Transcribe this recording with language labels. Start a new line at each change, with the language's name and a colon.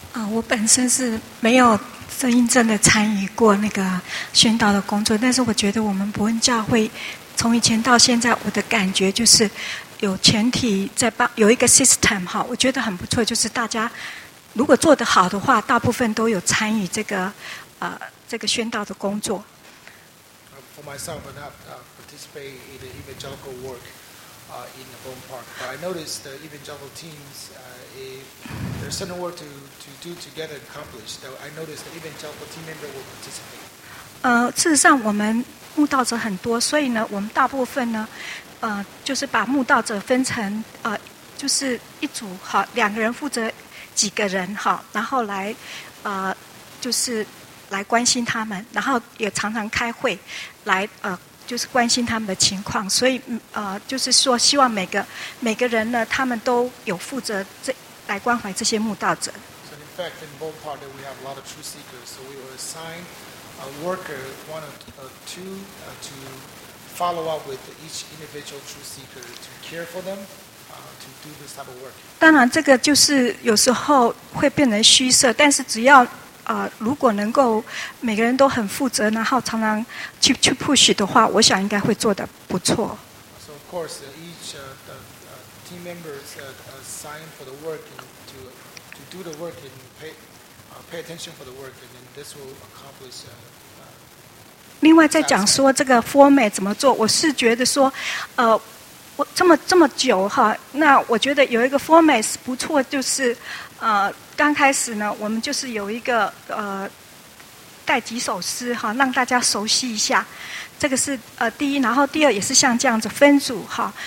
Chinese: 我本身是没有真正的参与过那个宣道的工作，但是我觉得我们伯恩教会从以前到现在，我的感觉就是有全体在帮，有一个 system 哈，我觉得很不错，就是大家如果做得好的话，大部分都有参与这个宣道的工作。
English: For myself, I participate in the evangelical work in the Bone Park, but I noticed the evangelical teams. There's certain work to do together and accomplish. So I noticed that even the team member will participate.
Chinese: 事实上，我们慕道者很多，所以呢，我们大部分呢，就是把慕道者分成就是一组哈，两个人负责几个人哈，然后来就是来关心他们，然后也常常开会来就是关心他们的情况。所以就是说，希望每个人呢，他们都有负责这。来关怀这些慕道者。
English: So in fact, in both part, we have a lot of truth seekers. So we will assign a worker, one or two, to follow up with each individual truth seeker to care for them, to do this type of work.
Chinese: 当然，这个就是有时候会变成虚设，但是只要如果能够每个人都很负责，然后常常去 push 的话，我想应该会做得不错。
English: So of course, each team members assigned for the work and to do the work and pay attention for the work and then this will accomplish
Chinese: 另外在讲说这个 format 怎么做，我是觉得说我这么久哈，那我觉得有一个 format 是不错，就是刚开始呢，我们就是有一个带几首诗哈，让大家熟悉一下，这个是第一，然后第二也是像这样子分组哈。